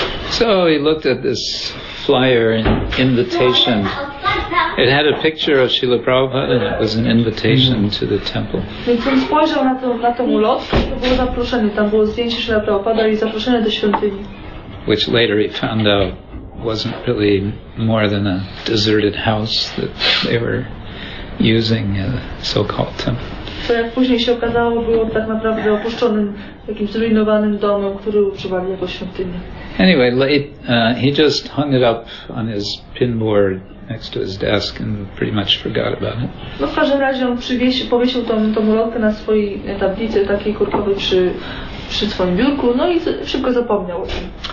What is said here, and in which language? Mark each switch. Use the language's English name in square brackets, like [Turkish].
[English] So he looked at this flyer, an invitation. It had a picture of Srila Prabhupada and it was an invitation to the temple. [Polish] Więc on spojrzał na tą ulotkę, to było zaproszenie. Tam było zdjęcie Srila Prabhupada i zaproszenie do świątyni. [English] Which later he found out wasn't really more than a deserted house that they were using a so-called temple. [Polish] To jak później się okazało, było tak naprawdę opuszczonym, jakimś zrujnowanym domem, który używali jako świątynię. [English] Anyway, he just hung it up on his pinboard next to his desk and pretty much forgot about it. [Polish] No, w każdym razie on powiesił tą ulotkę na swojej tablicy takiej kurkowej przy swoim biurku, no i szybko zapomniał o tym.